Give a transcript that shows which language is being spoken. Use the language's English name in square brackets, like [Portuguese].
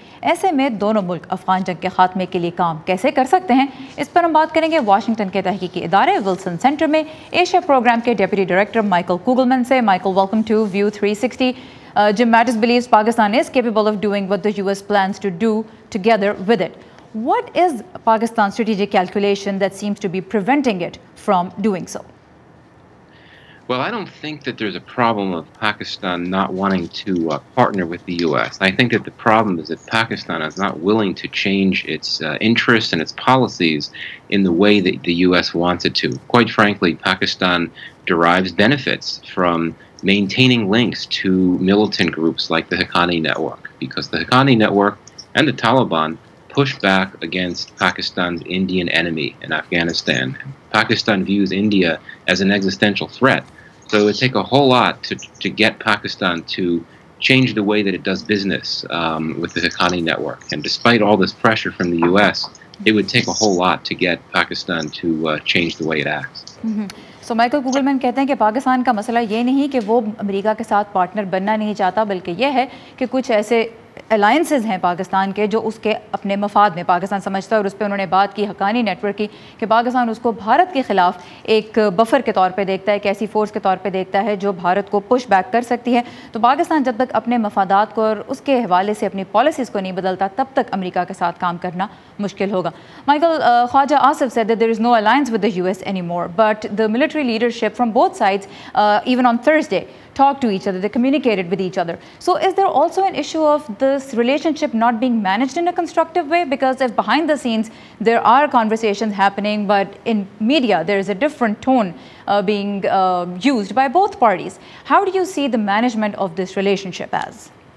[Urdu] ایسے میں دونوں ملک افغان جنگ کے خاتمے کے لیے کام کیسے کر سکتے ہیں، اس پر ہم بات کریں گے واشنگٹن کے تحقیقی ادارے ولسن سینٹر میں ایشیا پروگرام کے ڈیپٹی ڈائریکٹر مائیکل کوگلمن سے۔ Michael, [English] Welcome to View 360۔ Jim Mattis believes Pakistan is capable of doing what the U S plans to do together with it, what is Pakistan strategic calculation that seems to be preventing it from doing so? Well, I don't think that there's a problem of Pakistan not wanting to partner with the U.S. I think that the problem is that Pakistan is not willing to change its interests and its policies in the way that the U.S. wants it to. Quite frankly, Pakistan derives benefits from maintaining links to militant groups like the Haqqani Network, because the Haqqani Network and the Taliban push back against Pakistan's Indian enemy in Afghanistan. Pakistan views India as an existential threat. So it would take a whole lot to get Pakistan to change the way that it does business with the Haqqani network. And despite all this pressure from the U.S., it would take a whole lot to get Pakistan to change the way it acts. [Urdu] So Michael کوگلمن کہتے ہیں کہ پاکستان کا مسئلہ یہ نہیں کہ وہ امریکہ کے ساتھ پارٹنر بننا نہیں چاہتا، بلکہ یہ ہے کہ کچھ ایسے الائنسز ہیں پاکستان کے جو اس کے اپنے مفاد میں پاکستان سمجھتا ہے، اور اس پہ انہوں نے بات کی حقانی نیٹورک کی کہ پاکستان اس کو بھارت کے خلاف ایک بفر کے طور پہ دیکھتا ہے، ایک ایسی فورس کے طور پہ دیکھتا ہے جو بھارت کو پش بیک کر سکتی ہے۔ تو پاکستان جب تک اپنے مفادات کو اور اس کے حوالے سے اپنی پالیسیز کو نہیں بدلتا، تب تک امریکہ کے ساتھ کام کرنا مشکل ہوگا۔ Michael, [English] Khawaja Asif said that there is no alliance with the U S anymore, but the military leadership from both sides even on Thursday talk to each other, they communicated with each other. So is there also an issue of this relationship not being managed in a constructive way? Because if behind the scenes there are conversations happening, but in media there is a different tone being used by both parties, how do you see the management of this relationship as?